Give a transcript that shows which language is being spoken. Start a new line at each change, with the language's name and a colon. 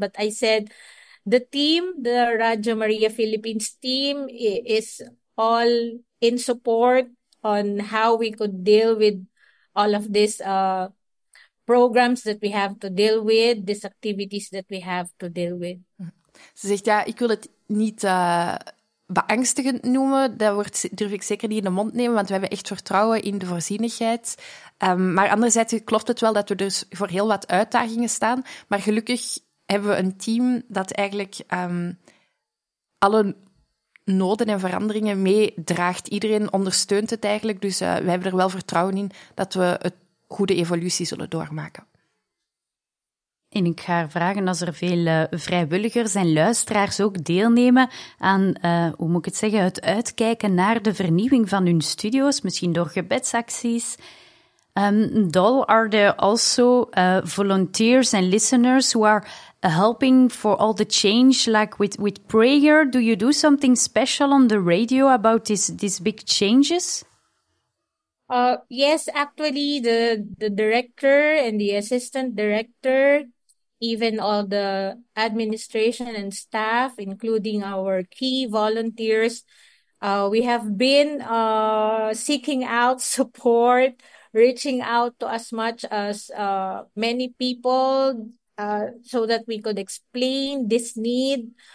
English: But I said, the team, the Radio Maria Philippines team, is all in support on how we could deal with all of these programs that we have to deal with, these activities that we have to deal with.
Dutch: Ze zegt, ja, ik wil het niet beangstigend noemen. Dat durf ik zeker niet in de mond nemen, want we hebben echt vertrouwen in de voorzienigheid. Maar anderzijds klopt het wel dat we dus voor heel wat uitdagingen staan. Maar gelukkig hebben we een team dat eigenlijk alle noden en veranderingen meedraagt. Iedereen ondersteunt het eigenlijk, dus we hebben er wel vertrouwen in dat we een goede evolutie zullen doormaken. En ik ga vragen als er veel vrijwilligers en luisteraars ook deelnemen aan, hoe moet ik het zeggen, het uitkijken naar de vernieuwing van hun studio's, misschien door gebedsacties.
English: Dol, are there also volunteers and listeners who are helping for all the change, like with prayer? Do you do something special on the radio about these big changes? Yes, actually, the director and the assistant director, even all the administration and staff, including our key volunteers, we have been seeking out support, reaching out to as much as many people so that we could explain this need